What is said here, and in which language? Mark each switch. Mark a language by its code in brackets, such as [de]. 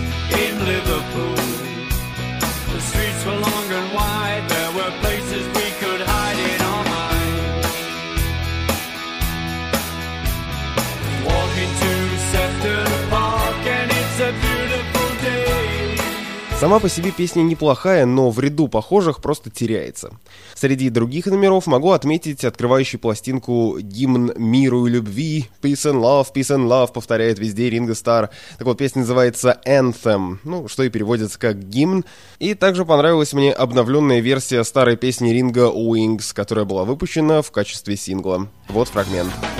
[en] In Liverpool, the streets were long and wide. There were places we could hide in our minds. Walking to Sefton Park, and it's a beautiful day. [ru] Сама по себе песня неплохая, но в ряду похожих просто теряется. Среди других номеров могу отметить открывающий пластинку «Гимн миру и любви». [en] Peace and love» [ru] повторяет везде [en] Ringo Starr. [ru] Так вот, песня называется «Anthem», ну, что и переводится как «гимн». И также понравилась мне обновленная версия старой песни Ringo «Wings», которая была выпущена в качестве сингла. Вот фрагмент.